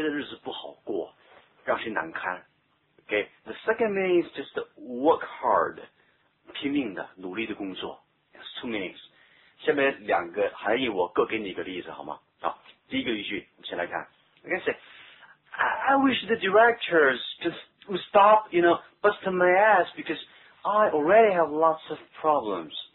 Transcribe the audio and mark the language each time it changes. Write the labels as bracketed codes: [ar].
[zh] 让谁的日子不好过，让谁难堪. [en] Okay. The second meaning is just to work hard. [zh] 拼命的，努力的工作. [en] That's two meanings. [zh] 下面两个含义我各给你一个例子好吗?好，第一个例句，我们先来看. [en] I can say, I wish the directors just would stop, you know, busting my ass because I already have lots of problems.